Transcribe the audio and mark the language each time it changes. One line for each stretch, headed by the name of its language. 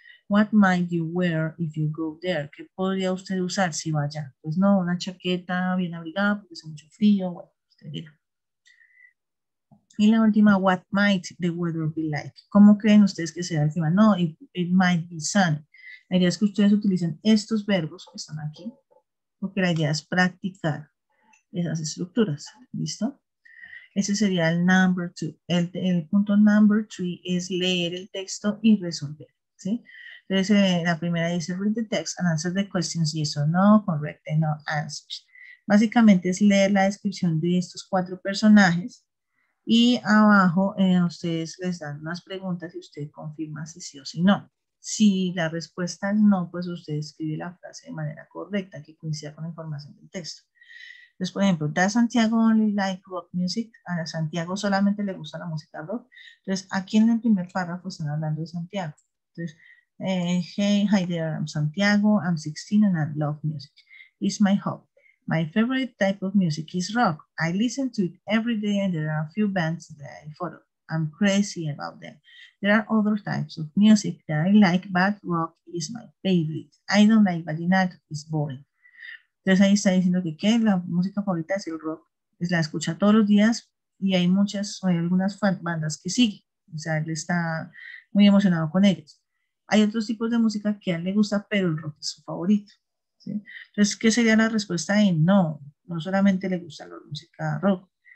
English: What might you wear if you go there?
Spanish: ¿Qué podría usted usar si va allá? Pues no, una chaqueta bien abrigada porque hace mucho frío. Bueno, usted dirá. Y la última,
English: what might the weather be like?
Spanish: ¿Cómo creen ustedes que será el clima?
English: No, it might be sunny.
Spanish: La idea es que ustedes utilicen estos verbos que están aquí, porque la idea es practicar esas estructuras. ¿Listo? Ese sería el
English: number two.
Spanish: El punto
English: number three
Spanish: es leer el texto y resolver. ¿Sí? Entonces, la primera dice
English: read the text and answer the questions, yes or no, correct and no answers.
Spanish: Básicamente es leer la descripción de estos cuatro personajes y abajo ustedes les dan unas preguntas y usted confirma si sí o si no. Si la respuesta es no, pues usted escribe la frase de manera correcta, que coincida con la información del texto. Entonces, por ejemplo,
English: ¿Does Santiago only like rock music?
Spanish: ¿A Santiago solamente le gusta la música rock? Entonces, aquí en el primer párrafo están hablando de Santiago.
English: Entonces, hey, hi there, I'm Santiago, I'm 16 and I love music. It's my hobby. My favorite type of music is rock. I listen to it every day and there are a few bands that I follow. I'm crazy about them. There are other types of music that I like, but rock is my favorite. I don't like vallenato, it's boring.
Spanish: Entonces ahí está diciendo que ¿qué? La música favorita es el rock. Es la escucha todos los días y hay algunas bandas que sigue. O sea, él está muy emocionado con ellos. Hay otros tipos de música que a él le gusta, pero el rock es su favorito, ¿sí? Entonces, ¿qué sería la respuesta ahí? No, no solamente le gusta la música rock.